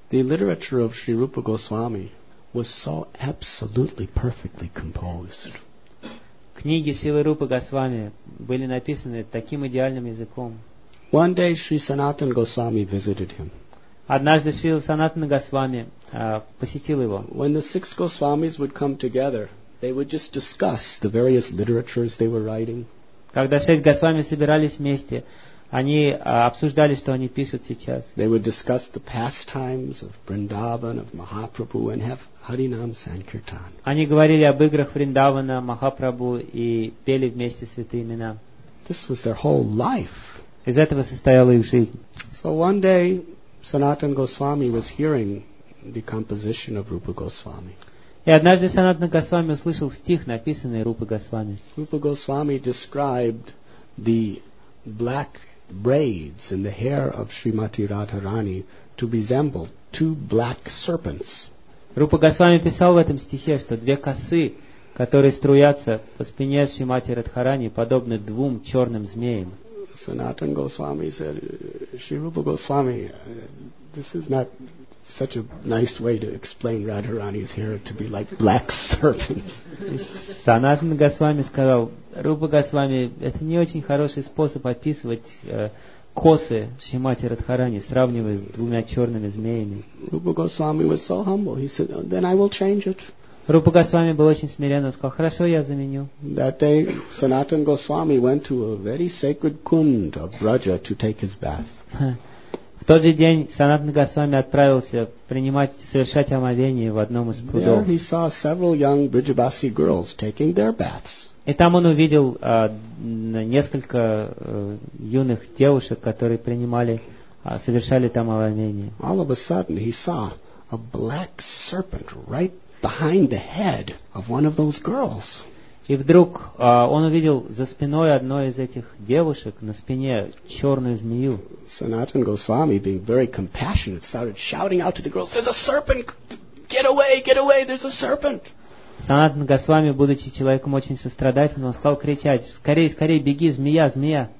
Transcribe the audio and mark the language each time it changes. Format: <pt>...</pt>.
<en>The literature of Sri Rupa Goswami was so absolutely perfectly composed.</en> <ru>Книги Шрилы Рупы Госвами были написаны таким идеальным языком.</ru> <en>One day Sri Sanatana Goswami visited him.</en> <ru>Однажды Шрила Санатана Госвами посетил его.</ru> <en>When the six Goswamis would come together, they would just discuss the various literatures they were writing.</en> <ru>Когда шесть Госвами собирались вместе, они обсуждали, что они пишут сейчас.</ru> <en>They would discuss the pastimes of Vrindavan, of Mahaprabhu, and have Harinam Sankirtan.</en> <ru>Они говорили об играх Вриндавана, Махапрабху и пели вместе святые имена.</ru> <en>This was their whole life.</en> <ru>Из этого состояла их жизнь.</ru> <en>So one day, Sanatana Goswami was hearing the composition of Rupa Goswami.</en> <ru>И однажды Санатана Госвами услышал стих, написанный Рупа Госвами.</ru> <en>Rupa Goswami described the black braids in the hair of Srimati Radharani to resemble two black serpents.</en> <ru>Рупа Госвами писал в этом стихе, что две косы, которые струятся по спине Шримати Радхарани, подобны двум черным змеям.</ru> <en>Sanatana Goswami said, Sri Rupa Goswami, this is not such a nice way to explain Radharani's hair to be like black serpents.</en> <ru>Sanatana Goswami сказал, Rupa Goswami, это не очень хороший способ описывать косы Шримати Радхарани, сравнивая с двумя черными змеями.</ru> <en>Rupa Goswami was so humble. He said, then I will change it.</en> <ru>Rupa Goswami был очень смиренно, сказал, хорошо, я заменю.</ru> <en>That day, Sanatana Goswami went to a very sacred kund of Braja to take his bath.</en> <ru>В тот же день Санатана Госвами отправился принимать, совершать омовение в одном из прудов.</ru> <en>There he saw several young Brijabasi girls taking their baths.</en> <ru>И там он увидел несколько юных девушек, которые принимали, совершали там омовение.</ru> <en>All of a sudden, he saw a black serpent right behind the head of one of those girls.</en> <ru>И вдруг он увидел за спиной одной из этих девушек на спине черную змею.</ru> <en>Sanatana Goswami, being very compassionate, started shouting out to the girls, "There's a serpent! Get away! Get away! There's a serpent!"</en> <ru>Sanatana Goswami, будучи человеком очень сострадательным, стал кричать: "Скорей, скорей, беги, змея, змея!"</ru>